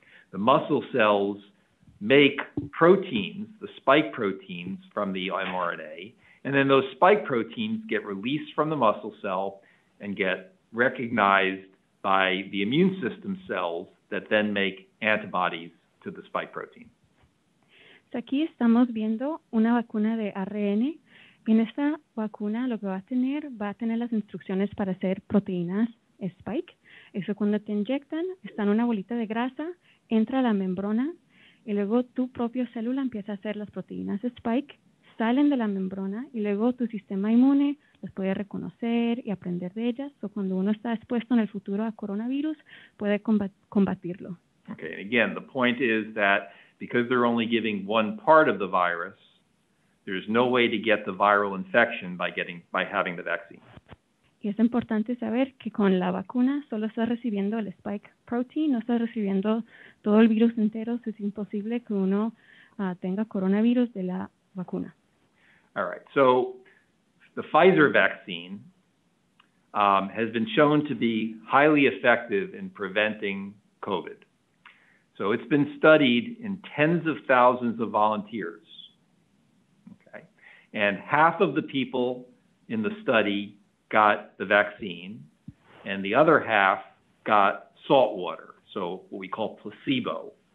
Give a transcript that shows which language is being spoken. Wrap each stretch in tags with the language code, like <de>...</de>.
<en>The muscle cells make proteins, the spike proteins from the mRNA, and then those spike proteins get released from the muscle cell and get recognized by the immune system cells that then make antibodies to the spike protein. So</en> <es>aquí estamos viendo una vacuna de ARN. En esta vacuna lo que va a tener las instrucciones para hacer proteínas spike. Eso cuando te inyectan, está en una bolita de grasa, entra a la membrana y luego tu propia célula empieza a hacer las proteínas spike, salen de la membrana y luego tu sistema inmune las puede reconocer y aprender de ellas. O cuando uno está expuesto en el futuro a coronavirus, puede combatirlo.</es> <en>Okay, and again, the point is that because they're only giving one part of the virus, there's no way to get the viral infection by having the vaccine.</en> <es>Y es importante saber que con la vacuna solo está recibiendo el</es> <en>spike protein,</en> <es>no está recibiendo todo el virus entero.</es> <en>So</en> <es>es imposible que uno tenga coronavirus de la vacuna.</es> <en>All right. So the Pfizer vaccine has been shown to be highly effective in preventing COVID. So it's been studied in tens of thousands of volunteers. And half of the people in the study got the vaccine, and the other half got salt water, so what we call placebo.</en>